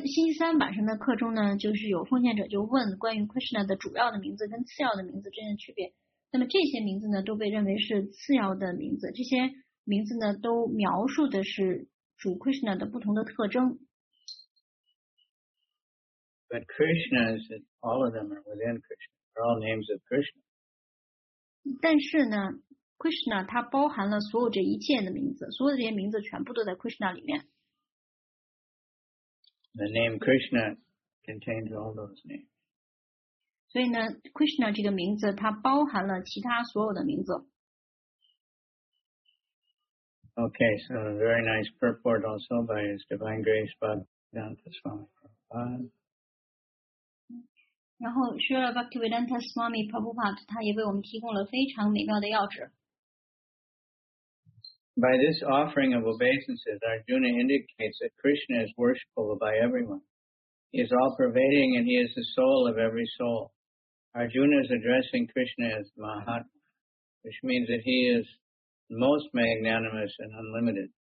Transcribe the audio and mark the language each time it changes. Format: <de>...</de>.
<zh>那在星期天星期三晚上的课中呢，就是有奉献者就问关于 Krishna 的主要的名字跟次要的名字之间的区别。那么这些名字呢，都被认为是次要的名字。这些名字呢，都描述的是主 Krishna 的不同的特征。</zh> <en>But Krishna is all of them are within Krishna. They're all names of Krishna.</en> <zh>但是呢 ，Krishna 它包含了所有这一切的名字，所有这些名字全部都在 Krishna 里面。</zh> <en>The name Krishna contains all those names.</en> <zh>所以呢, Krishna 这个名字, 它包含了其他所有的名字。</zh> <en>Okay, so a very nice purport also by His Divine Grace Bhaktivedanta Swami Prabhupada.</en> <zh>然后, Srila Bhaktivedanta Swami Prabhupada, 他也为我们提供了非常美妙的要旨。</zh> <en>By this offering of obeisances, Arjuna indicates that Krishna is worshipful by everyone. He is all-pervading and he is the soul of every soul. Arjuna is addressing Krishna as Mahatma, which means that he is most magnanimous and unlimited.</en>